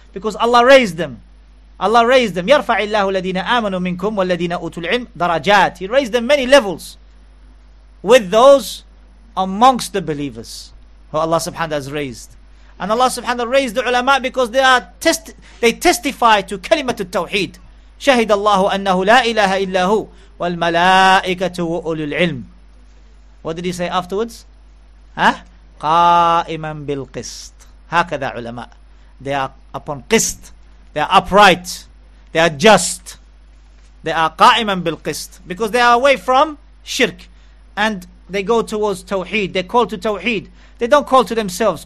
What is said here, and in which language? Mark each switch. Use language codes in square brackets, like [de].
[en] Because Allah raised them. Allah raised them. [ar] يَرْفَعِ اللَّهُ الَّذِينَ آمَنُوا مِنْكُمْ وَالَّذِينَ أُوتُوا الْعِلْمِ دَرَجَاتِ. [en] He raised them many levels with those amongst the believers who Allah subhanahu has raised. And Allah subhanahu wa ta'ala raised the ulama because they testify to kalimat al-tawheed. [ar] شهد الله أنه لا إله إلا هو والملائكة وأولو العلم. [en] What did he say afterwards? [ar] Huh? قائما بالقسط. هكذا علماء. [en] They are upon قسط. They are upright. They are just. They are [ar] قائما بالقسط. [en] Because they are away from shirk. And they go towards tawheed. They call to tawheed. They don't call to themselves.